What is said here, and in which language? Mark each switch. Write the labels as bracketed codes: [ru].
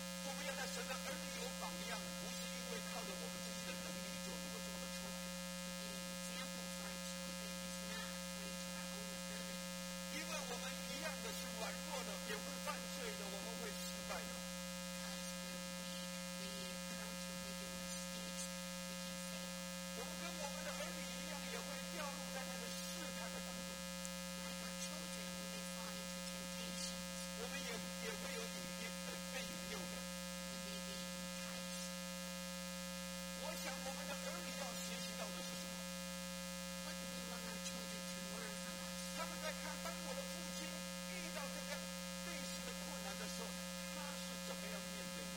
[zh] 我们要在神的儿女有榜样，不是因为靠着我们自己的能力就能够做得出来。 [en] The example for our children is not according to our own ability. [zh] 因为我们一样的是软弱的，也会犯罪的，我们会失败的。 [en] Because we're weak, we come to make mistakes, we can fail. [zh] 我们跟我们的儿女一样，也会掉入在那个试探的当中。 [en] Like our children, we may fall into temptations. [zh] 我们也会有引诱的，被引诱的。我想我们的儿女要学习到的是什么？ [en] What do we want our children to learn from us? [zh] 他们在看当我的父亲遇到这个类似的困难的时候，他是怎么样面对的？